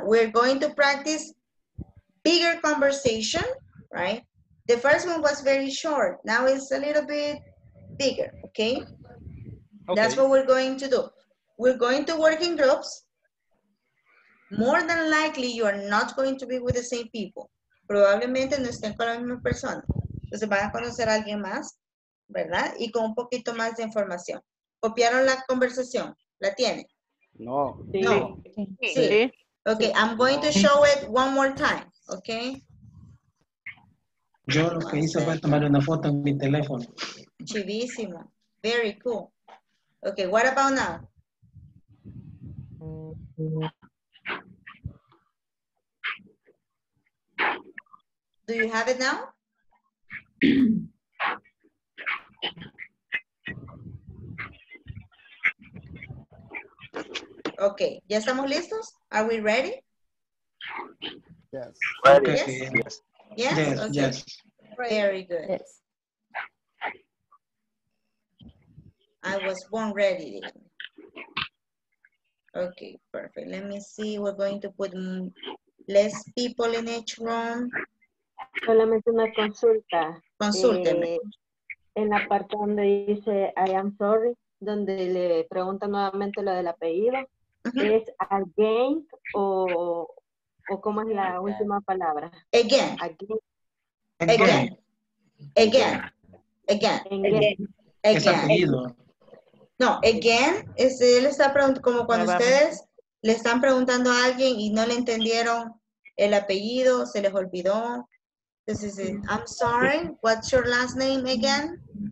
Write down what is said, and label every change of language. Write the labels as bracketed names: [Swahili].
[English] We're going to practice bigger conversation. Right? The first one was very short. Now it's a little bit bigger, okay? Okay? That's what we're going to do. We're going to work in groups. More than likely, you are not going to be with the same people. [Spanish] Probablemente no estén con la misma persona. Entonces van a conocer a alguien más, ¿verdad? Y con un poquito más de información. ¿Copiaron la conversación? ¿La tienen? No. Sí. No. Sí. Sí. [English] Okay, I'm going to show it one more time, okay? [Spanish] Yo lo que hice fue tomar una foto en mi teléfono. Chivísimo. [English] Very cool. Okay, what about now? Do you have it now? Okay, [Spanish] ¿ya estamos listos? [English] Are we ready? Yes. Okay. Yes. Yes. Yes? Yes, okay. Yes. Very good. Yes. I was born ready. Okay, perfect. Let me see. We're going to put less people in each room. [Spanish] Solamente una consulta. Consúlteme. En la parte donde dice, [English] I am sorry, [Spanish] donde le pregunta nuevamente lo del apellido, uh-huh. ¿Es again o... ¿O cómo es la última palabra? [English] Again. Again. Again. Again. Again. Again. Again. Again. [Spanish] Es apellido. No, again, él está preguntando, como cuando ustedes le están preguntando a alguien y no le entendieron el apellido, se les olvidó. Entonces, [English] I'm sorry, what's your last name again?